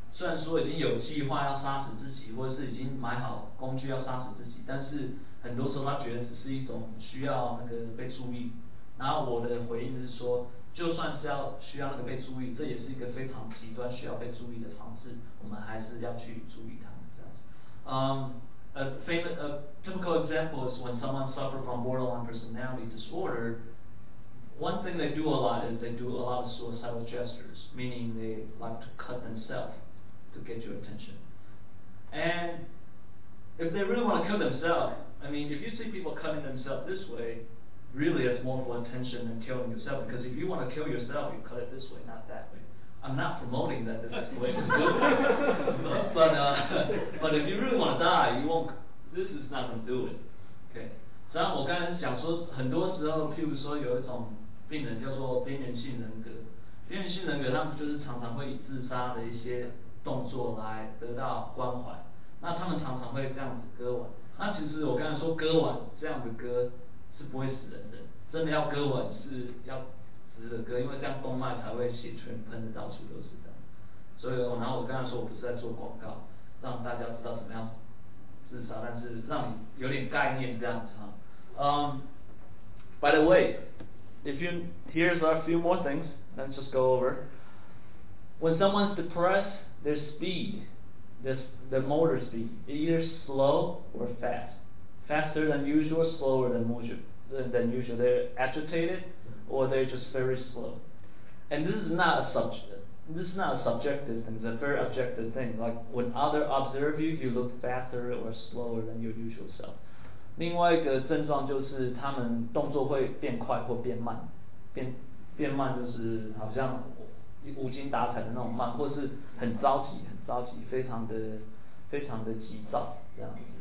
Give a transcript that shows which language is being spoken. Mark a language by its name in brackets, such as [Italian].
[Chinese] 虽然说已经有计划要杀死自己，或者是已经买好工具要杀死自己，但是很多时候他觉得只是一种需要那个被注意。然后我的回应是说，就算是要需要那个被注意，这也是一个非常极端需要被注意的方式，我们还是要去注意他们这样子。 [English] A typical example is when someone suffers from borderline personality disorder, one thing they do a lot is they do a lot of suicidal gestures, meaning they like to cut themselves to get your attention. And if they really want to cut themselves, I mean, if you see people cutting themselves this way, really it's more for attention than killing yourself, because if you want to kill yourself, you cut it this way, not that way. I'm not promoting that this is the way to do it. But if you really want to die, you won't, this is not going to do it. Okay. [Chinese] 实际上我刚才讲说，很多时候譬如说有一种病人叫做边缘性人格，边缘性人格他们就是常常会以自杀的一些动作来得到关怀，那他们常常会这样子割腕。那其实我刚才说割腕这样的割是不会死人的，真的要割腕是要直的割，因为这样动脉才会血全喷的到处都是这样。所以然后我刚才说我不是在做广告让大家知道怎么样自杀，但是让你有点概念这样子哈。 [English] By the way, if you, here's a few more things, let's just go over. When someone's depressed, their speed, their motor speed, either slow or fast. Faster than usual, slower than usual. They're agitated or they're just very slow. And this is not a subjective thing, it's a very objective thing. Like when others observe you, you look faster or slower than your usual self. [Chinese] 另外一个症状就是他们动作会变快或变慢，变慢就是好像无精打采的那种慢，或是很着急，非常的急躁这样子。